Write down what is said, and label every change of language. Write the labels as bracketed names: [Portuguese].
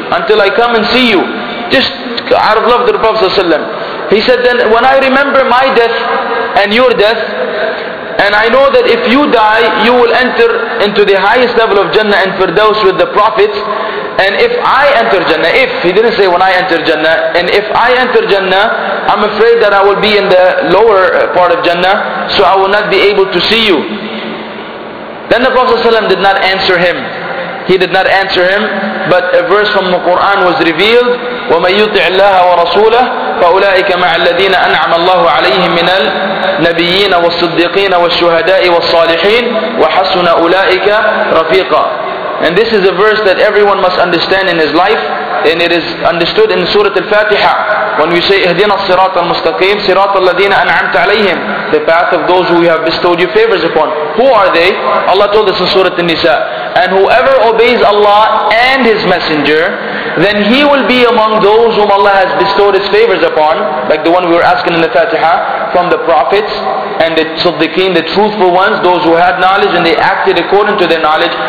[English] Until I come and see you. Just out of love to the Prophet ﷺ. He said, then when I remember my death and your death, and I know that if you die, you will enter into the highest level of Jannah and Firdaus with the Prophet. And if I enter Jannah, if, he didn't say when I enter Jannah, and if I enter Jannah, I'm afraid that I will be in the lower part of Jannah, so I will not be able to see you. Then the Prophet ﷺ did not answer him. He did not answer him, but a verse from the Quran was revealed, [Arabic] وَمَنْ يُطِعِ اللَّهَ وَرَسُولَهُ فَأُولَٰئِكَ مَعَ الَّذِينَ أَنْعَمَ اللَّهُ عَلَيْهِمْ مِنَ النَّبِيِّينَ وَالصِّدِّقِينَ وَالشُّهَدَاءِ وَالصَّالِحِينَ وَحَسُنَ أُولَٰئِكَ رَفِيقًا. [English] And this is a verse that everyone must understand in his life, and it is understood in Surah Al-Fatiha when we say [Arabic] اهدنا الصراط المستقيم صراط الذين أنعمت عليهم, [English] the path of those who you have bestowed your favors upon. Who are they? Allah told us in Surah An-Nisa, and whoever obeys Allah and His Messenger, then he will be among those whom Allah has bestowed His favors upon, like the one we were asking in the Fatiha, from the prophets and the Siddiqeen, the truthful ones, those who had knowledge and they acted according to their knowledge.